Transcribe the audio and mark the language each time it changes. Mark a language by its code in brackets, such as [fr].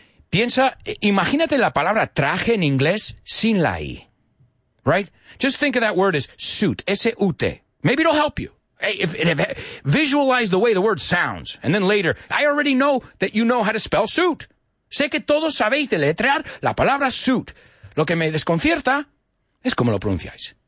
[es] Piensa, imagínate la palabra traje en inglés sin la I, right? [en] Just think of that word as suit, S-U-T. Maybe it'll help you. Hey, if visualize the way the word sounds, and then later, I already know that you know how to spell suit. [es] Sé que todos sabéis deletrear la palabra suit. Lo que me desconcierta es cómo lo pronunciáis.